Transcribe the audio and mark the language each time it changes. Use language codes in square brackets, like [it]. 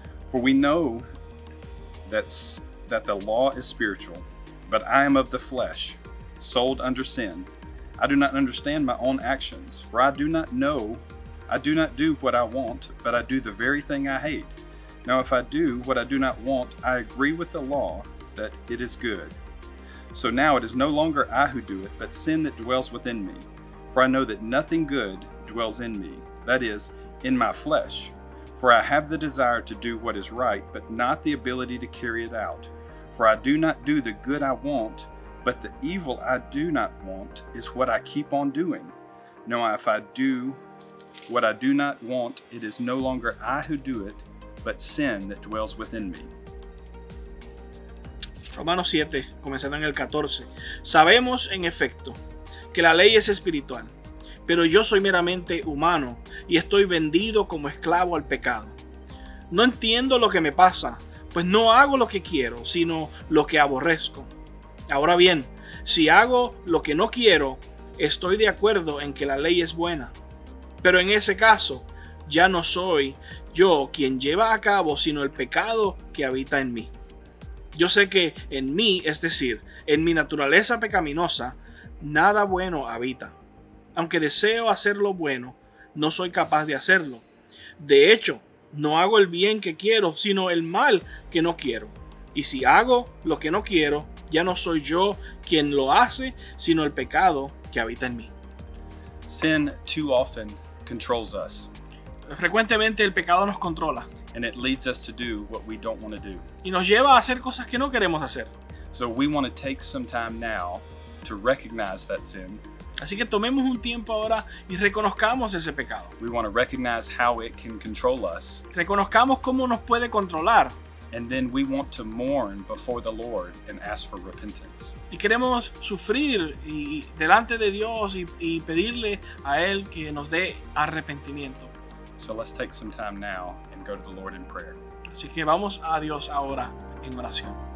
[en] For we know that the law is spiritual, but I am of the flesh, sold under sin. I do not understand my own actions, for I do not know. I do not do what I want, but I do the very thing I hate. Now, if I do what I do not want, I agree with the law that it is good. So now it is no longer I who do it, but sin that dwells within me. For I know that nothing good dwells in me, that is, in my flesh. For I have the desire to do what is right, but not the ability to carry it out. For I do not do the good I want, but the evil I do not want is what I keep on doing. Now, if I do what I do not want, it is no longer I who do it, but sin that dwells within me. [es] Romanos 7, comenzando en el 14. Sabemos, en efecto, que la ley es espiritual, pero yo soy meramente humano y estoy vendido como esclavo al pecado. No entiendo lo que me pasa, pues no hago lo que quiero, sino lo que aborrezco. Ahora bien, si hago lo que no quiero, estoy de acuerdo en que la ley es buena. Pero en ese caso, ya no soy yo quien lleva a cabo, sino el pecado que habita en mí. Yo sé que en mí, es decir, en mi naturaleza pecaminosa, nada bueno habita. Aunque deseo hacer lo bueno, no soy capaz de hacerlo. De hecho, no hago el bien que quiero, sino el mal que no quiero. Y si hago lo que no quiero, ya no soy yo quien lo hace, sino el pecado que habita en mí. [en] Sin too often controls us. [es] Frecuentemente el pecado nos controla. [en] And it leads us to do what we don't want to do. [es] Y nos lleva a hacer cosas que no queremos hacer. [en] So we want to take some time now to recognize that sin. [es] Así que tomemos un tiempo ahora y reconozcamos ese pecado. [en] We want to recognize how it can control us. [es] Reconozcamos cómo nos puede controlar. [en] And then we want to mourn before the Lord and ask for repentance. [es] Y queremos sufrir y delante de Dios y pedirle a Él que nos dé arrepentimiento. [en] So let's take some time now and go to the Lord in prayer. [es] Así que vamos a Dios ahora en oración.